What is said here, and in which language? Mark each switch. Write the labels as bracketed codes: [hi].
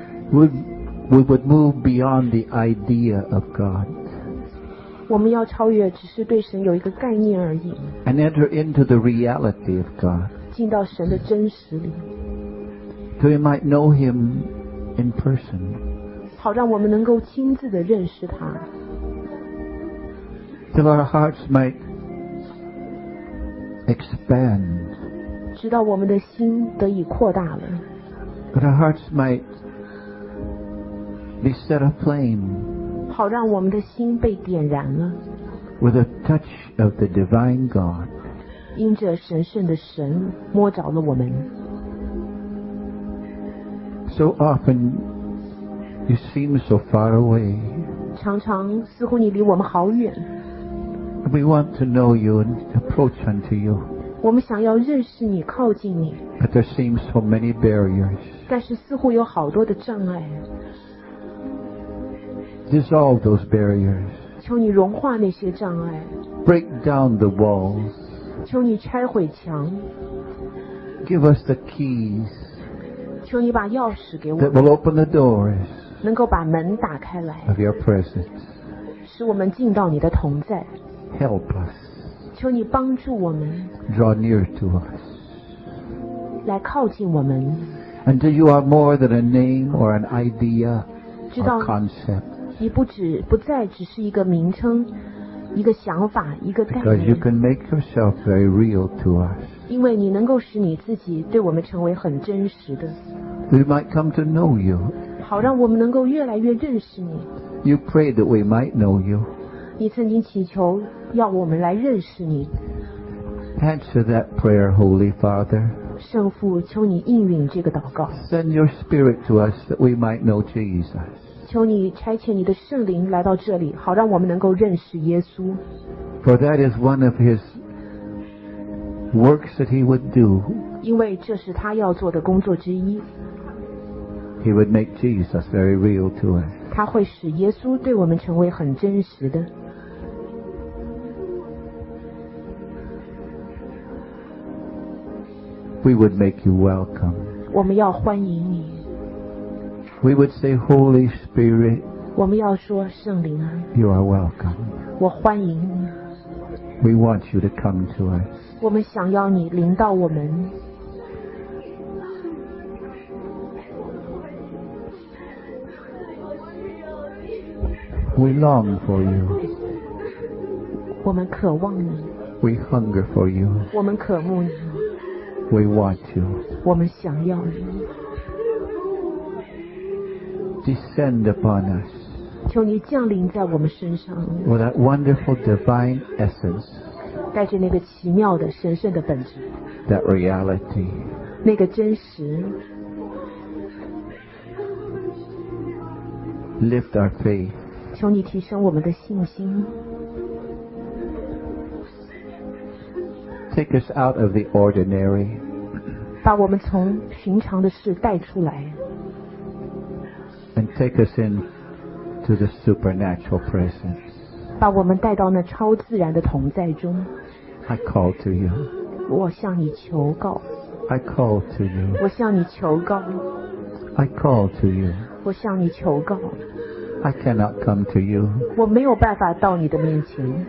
[en] We would move beyond the idea of God. [zh] 我们要超越只是对神有一个概念而已。 [en] And enter into the reality of God. [zh] 进到神的真实里。 [en] So we might know Him in person. [zh] 好让我们能够亲自地认识他。 [en] Till our hearts might expand. [zh] 直到我们的心得以扩大了。 [en] That our hearts might be set aflame. [zh] 好让我们的心被点燃了。 [en] With a touch of the divine God. [zh] 因着神圣的神摸着了我们。 [en] So often you seem so far away. [zh] 常常似乎你离我们好远。 [en] We want to know you and approach unto you. [zh] 我们想要认识你，靠近你。 [en] But there seem so many barriers. [zh] 但是似乎有好多的障碍。 [en] Dissolve those barriers. [zh] 求你融化那些障碍。 [en] Break down the walls. [zh] 求你拆毁墙。 [en] Give us the keys. [zh] 求你把钥匙给我们。 [en] That will open the doors. [zh] 能够把门打开来。 [en] Of your presence. [zh] 使我们进到你的同在。 [en] Help us. [zh] 求你帮助我们。 [en] Draw near to us. [zh] 来靠近我们。 [en] Until you are more than a name or an idea or concept. [zh] 你不再只是一个名称，一个想法，一个概念。 [en] Because you can make yourself very real to us. [zh] 因为你能够使你自己对我们成为很真实的。 [en] We might come to know you. [zh] 好让我们能够越来越认识你。 [en] You prayed that we might know you. [zh] 你曾经祈求要我们来认识你。 [en] Answer that prayer, Holy Father. [zh] 圣父，求你应允这个祷告。 [en] Send your Spirit to us that we might know Jesus. [zh] 求你差遣你的圣灵来到这里，好让我们能够认识耶稣。 [en] For that is one of His works that He would do. [zh] 因为这是他要做的工作之一。 [en] He would make Jesus very real to us. [zh] 他会使耶稣对我们成为很真实的。 [en] We would make you welcome. [zh] 我们要欢迎你。 [en] We would say, Holy Spirit. [zh] 我们要说圣灵啊。 [en] You are welcome. [zh] 我欢迎你。 [en] We want you to come to us. [zh] 我们想要你临到我们。 [en] We long for you. [zh] 我们渴望你。 [en] We hunger for you. [zh] 我们渴慕你。 [en] We want you. [zh] 我们想要你。 [en] Descend upon us. [zh] 求你降临在我们身上。 [en] With that wonderful divine essence. [zh] 带着那个奇妙的神圣的本质。 [en] That reality. [zh] 那个真实。 [en] Lift our faith. [zh] 求你提升我们的信心。 [en] Take us out of the ordinary. [zh] 把我们从寻常的事带出来。 [en] And take us in to the supernatural presence. [zh] 把我们带到那超自然的同在中。 [en] I call to you. [zh] 我向你求告。 [en] I call to you. [zh] 我向你求告。 [en] I call to you. [zh] 我向你求告。 [en] I cannot come to you. [zh] 我没有办法到你的面前。